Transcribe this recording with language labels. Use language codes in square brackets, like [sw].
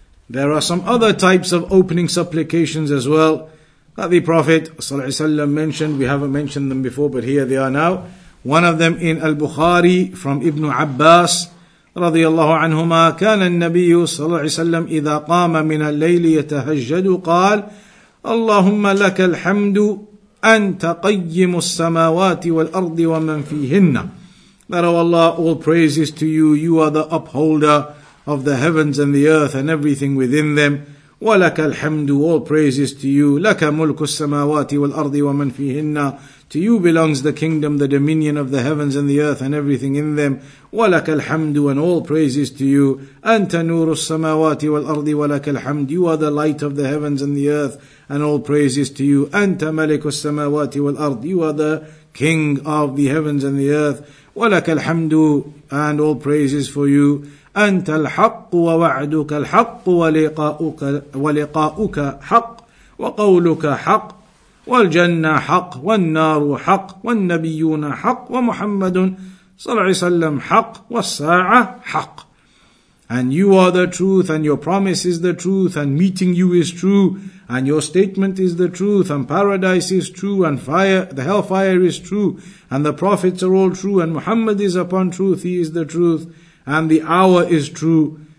[en] There are some other types of opening supplications as well that the Prophet صلى الله عليه وسلم mentioned. We haven't mentioned them before, but here they are now. One of them in Al-Bukhari from Ibn Abbas [ar] رضي الله عنهما كان النبي صلى الله عليه وسلم إذا قام من الليل يتهجد قال اللهم لك الحمد أنت قيم السماوات والأرض ومن فيهن. [en] That, oh Allah, all praises to you. You are the upholder of the heavens and the earth and everything within them. [ar] ولك الحمد, [en] all praises to you. [ar] لك ملك السماوات والأرض ومن فيهن. [en] To you belongs the kingdom, the dominion of the heavens and the earth and everything in them. [ar] وَلَكَ الْحَمْدُ, [en] and all praises to you. [ar] أَنْتَ نُورُ السَّمَاوَاتِ وَالْأَرْضِ وَلَكَ الْحَمْدُ, [en] you are the light of the heavens and the earth, and all praises to you. [ar] أَنْتَ مَلِكُ السَّمَاوَاتِ وَالْأَرْضِ, [en] you are the king of the heavens and the earth. [ar] وَلَكَ الْحَمْدُ, [en] and all praises for you. [ar] أَنْتَ الْحَقُّ وَوَعْدُكَ الْحَقُّ وَلِقَاؤُكَ حَقٌّ وَقَوْلُكَ حَقٌّ والجنة حق والنار حق والنبيون حق ومحمد صلى الله عليه وسلم حق والساعة حق. [en] And you are the truth, and your promise is the truth, and meeting you is true, and your statement is the truth, and paradise is true, and fire, the hellfire is true, and the prophets are all true, and Muhammad is upon truth, he is the truth, and the hour is true.